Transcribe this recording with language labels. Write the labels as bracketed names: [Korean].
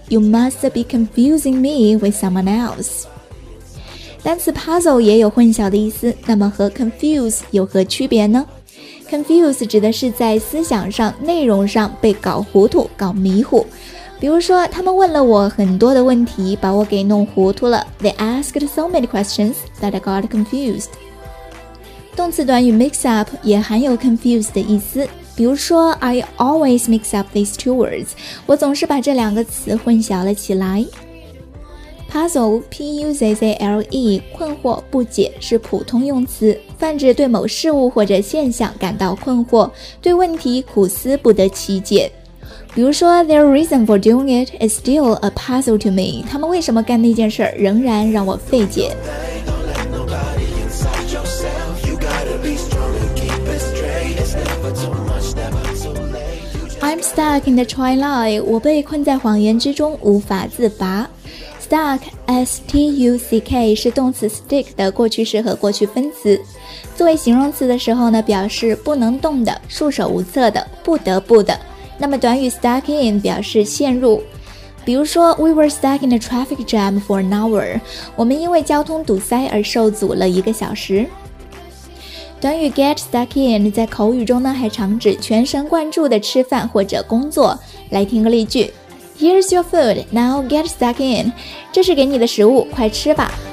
[English] You must be confusing me with someone else。 [Chinese] 单词 puzzle 也有混淆的意思，那么和 confuse 有何区别呢？ confuse 指的是在思想上、内容上被搞糊涂、搞迷糊。比如说，他们问了我很多的问题，把我给弄糊涂了。 [English] They asked so many questions that I got confused。 [Chinese] 动词短语 mix up 也含有 confuse 的意思。 [English] 比如说 ，I always mix up these two words。 [Chinese] 我总是把这两个词混淆了起来。Puzzle, P-U-Z-Z-L-E, 困惑、不解是普通用词，泛指对某事物或者现象感到困惑，对问题苦思不得其解。 [English] 比如说 Their reason for doing it is still a puzzle to me， [Chinese] 他们为什么干那件事仍然让我费解。 [English] I'm stuck in the twilight， [Chinese] 我被困在谎言之中无法自拔。 Stuck, S-T-U-C-K 是动词 stick 的过去式和过去分词，作为形容词的时候呢，表示不能动的、束手无策的、不得不的。那么短语 stuck in 表示陷入，比如说 [English] We were stuck in a traffic jam for an hour， [Chinese] 我们因为交通堵塞而受阻了一个小时。短语 get stuck in 在口语中呢，还常指全神贯注的吃饭或者工作。来听个例句。 [English] Here's your food, now get stuck in. [Chinese] 这是给你的食物，快吃吧。